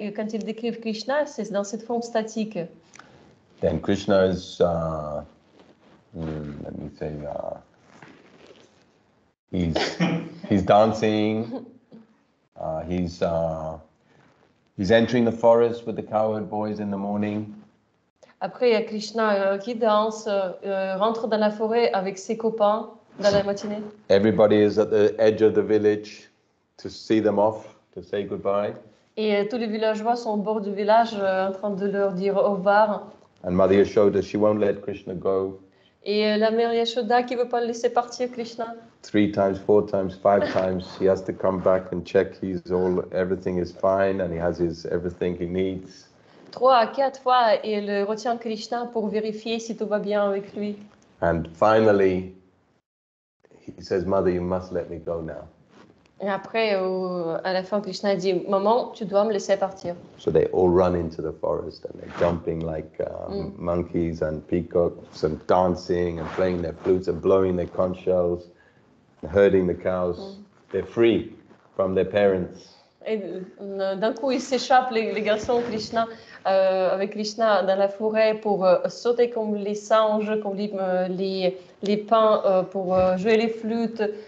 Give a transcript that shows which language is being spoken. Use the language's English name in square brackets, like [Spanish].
[French] Quand ils décrivent Krishna, c'est dans cette forme statique. [English] Then Krishna is, let me say, he's dancing, he's entering the forest with the cowherd boys in the morning. [French] Après, il y a Krishna qui danse, rentre dans la forêt avec ses copains dans la matinée. [English] Everybody is at the edge of the village to see them off, to say goodbye. [French] Et tous les villageois sont au bord du village en train de leur dire au revoir. [English] And Mother Yashoda, she won't let Krishna go. [French] Et la mère Yashoda qui veut pas le laisser partir Krishna. [English] Three times, four times, five times, she has to come back and check he's all, everything is fine, and he has his everything he needs. [French] trois à quatre fois et le retient Krishna pour vérifier si tout va bien avec lui. [English] And finally, he says, Mother, you must let me go now. [French] Et après, à la fin, Krishna dit, Maman, tu dois me laisser partir. [English] So they all run into the forest and they're jumping like monkeys and peacocks and dancing and playing their flutes and blowing their conch shells, herding the cows. They're free from their parents. [French] Et d'un coup, ils s'échappent, les garçons, Krishna, avec Krishna, dans la forêt pour sauter comme les singes, comme les pins, pour jouer les flûtes.